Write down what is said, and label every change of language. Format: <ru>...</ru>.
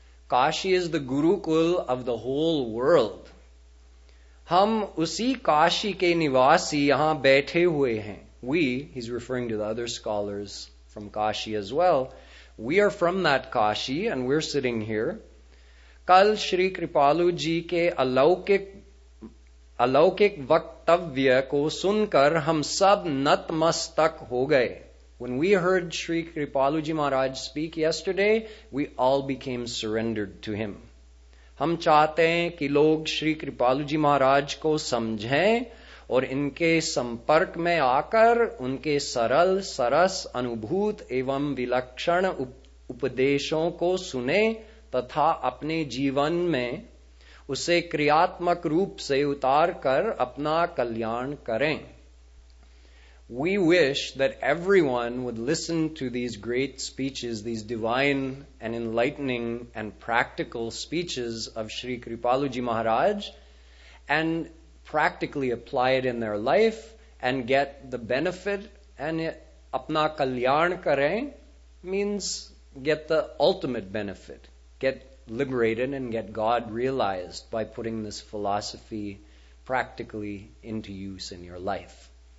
<en>Kashi is the gurukul of the whole world.</en> <hi>Hum usi Kashi ke nivasi yahan baithe hue hain.</hi> <en>We, he's referring to the other scholars from Kashi as well, we are from that Kashi and we're sitting here.</en> <hi>कल श्री कृपालु जी के अलौकिक वक्तव्य को सुनकर हम सब नतमस्तक हो गए.</hi> <en>When we heard Sri Kripaluji Maharaj speak yesterday, we all became surrendered to him.</en> <hi>हम चाहते हैं कि लोग श्री कृपालुजी जी महाराज को समझें और इनके संपर्क में आकर उनके सरल सरस अनुभूत एवं विलक्षण उपदेशों को सुने तथा अपने जीवन में उसे क्रियात्मक रूप से उतार कर अपना कल्याण करें.</hi> <en>We wish that everyone would listen to these great speeches, these divine and enlightening and practical speeches of Sri Kripaluji Maharaj and practically apply it in their life and get the benefit and</en> <hi>apna kalyan kare</hi> <en>means get the ultimate benefit, get liberated and get God realized by putting this philosophy practically into use in your life.</en>